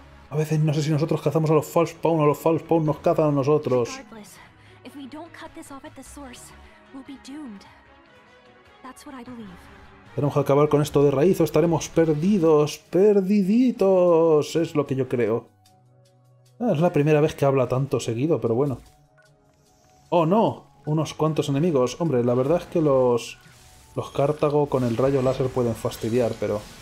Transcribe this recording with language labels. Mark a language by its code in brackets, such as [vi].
[es] A veces no sé si nosotros cazamos a los false spawn o los false spawn nos cazan a nosotros. [en] If we don't cut this off at the source, we'll be doomed. That's what I believe. [es] Tenemos que acabar con esto de raíz o estaremos perdidos, perdiditos, es lo que yo creo. Ah, es la primera vez que habla tanto seguido, pero bueno. ¡Oh no! Unos cuantos enemigos. Hombre, la verdad es que los Cartago con el rayo láser pueden fastidiar, pero...